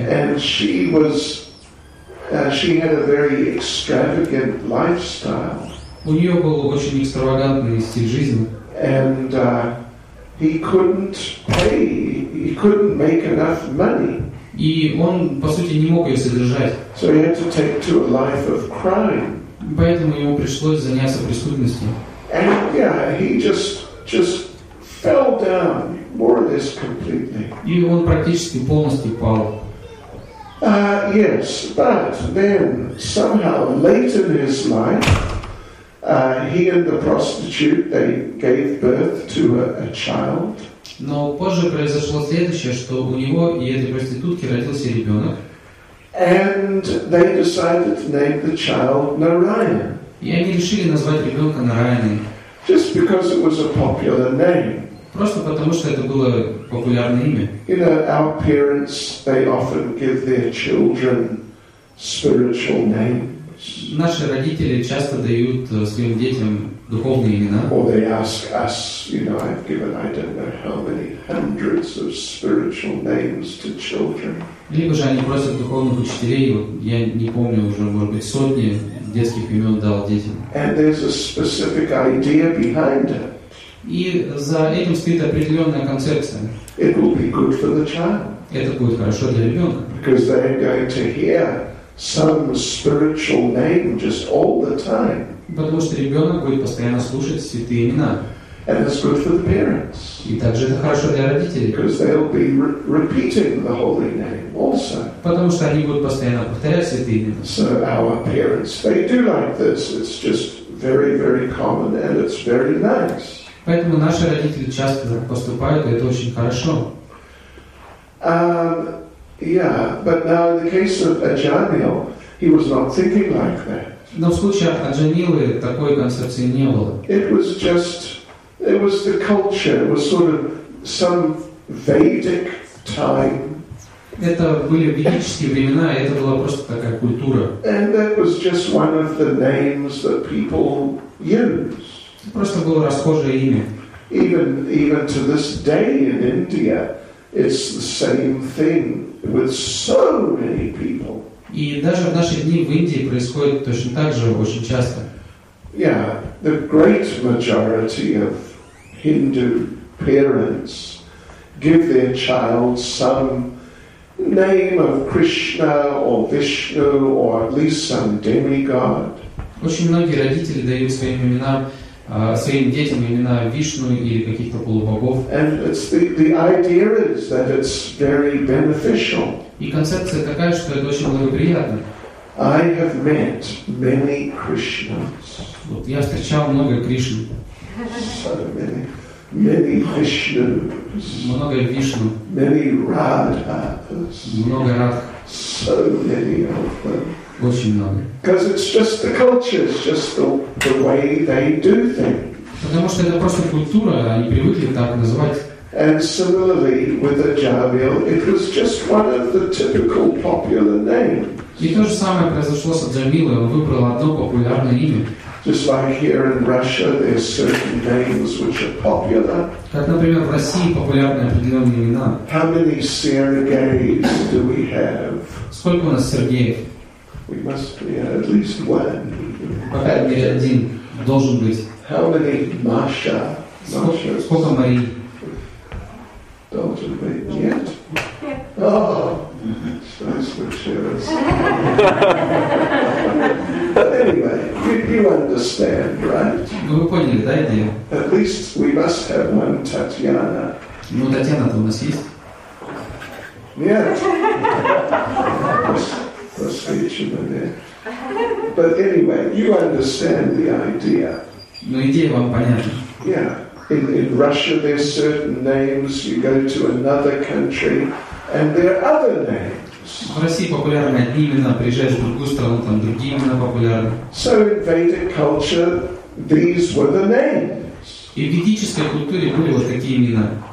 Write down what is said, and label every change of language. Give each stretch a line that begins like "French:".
English: And she was, she had a very extravagant lifestyle.
Russian: У нее был очень экстравагантный стиль жизни.
English: And he couldn't pay. He couldn't make enough money.
Russian: И он, по сути, не мог ее содержать.
English: So he had to take to a life of crime.
Russian: Поэтому ему пришлось заняться преступностью.
English: And yeah, he just fell down more or less completely.
Russian: И он практически полностью пал.
English: Yes, but then somehow late in his life, he and the prostitute, they gave birth to a child.
Russian: Но позже произошло следующее, что у него и этой проститутки родился ребенок.
English: And they decided to name the child Narayan.
Russian: И они решили назвать ребенка Нараяной.
English: Just because it was a popular name.
Russian: Просто потому, что это было популярное имя.
English: You know, our parents, they often give their children spiritual names.
Russian: Наши родители часто дают своим детям духовные имена.
English: Or they ask us, you know, I've given I don't know how many hundreds of spiritual names to children.
Russian: Либо же они просят духовных учителей, я не помню уже, может быть, сотни детских имен дал детям.
English: And there's a specific idea behind it.
Russian: И за этим стоит определенная концепция.
English: It will be good for the child.
Russian: Это будет хорошо для ребенка.
English: Because they're going to hear some spiritual name just all the time.
Russian: Потому что ребенок будет постоянно слушать святые имена.
English: And it's good for the parents.
Russian: И также это хорошо для родителей.
English: Because they'll be repeating the holy name also.
Russian: Потому что они будут постоянно повторять святые имена.
English: So our parents, they do like this. It's just very, very common and it's very nice.
Russian: Поэтому наши родители часто так поступают, и это очень хорошо.
English: Yeah, but now in the case of Аджамил, he was not thinking like that.
Russian: Но в случае Аджамилы такой концепции не было.
English: It was just, it was the culture, it was sort of some Vedic time.
Russian: Это были ведические времена, и это была просто такая культура.
English: And that was just one of the names that people used.
Russian: Это просто было расхожее имя.
English: Even to this day in India, it's the same thing with so many people.
Russian: И даже в наши дни в Индии происходит точно так же очень часто.
English: Yeah, the great majority of Hindu parents give their child some name of Krishna or Vishnu or at least some demigod.
Russian: Очень многие родители дают своим именам своим детям имена Вишну или каких-то полубогов.
English: And it's the idea is that it's very beneficial.
Russian: И концепция такая, что это очень благоприятно.
English: I have met many Krishnas.
Russian: Вот я встречал много Кришн.
English: So many, many Vishnus.
Russian: Много Вишну.
English: Many Radhas.
Russian: Много Радх.
English: So many of them.
Russian: Очень много.
English: Because it's just the culture, it's just the way they do things.
Russian: Потому что это просто культура, они привыкли так называть.
English: And similarly with Ajamil, it was just one of the typical popular names.
Russian: И то же самое произошло с Аджамилой, он выбрал одно популярное имя.
English: Just like here in Russia, there are certain names which are popular.
Russian: Как, например, в России популярны определенные имена.
English: How many Sergeys do we have?
Russian: Сколько у нас Сергеев?
English: We must be at least one.
Russian: По крайней мере, один должен быть.
English: How many Masha?
Russian: Сколько Марии? Должен быть. Нет?
English: Oh, that's for sure. But anyway, you understand, right?
Russian: Ну, вы поняли, да, идея?
English: At least we must have one Татьяна.
Russian: Ну, Татьяна-то у нас есть? Нет.
English: Let's reach him in there. But anyway, you understand the idea.
Russian: Но идея вам понятна.
English: Yeah. In Russia, there's certain names. You go to another country, and there are other names.
Russian: В России популярны одни имена, приезжаешь в другую страну, там другие имена популярны.
English: So in Vedic culture, these were the names.
Russian: И в ведической культуре были вот такие имена.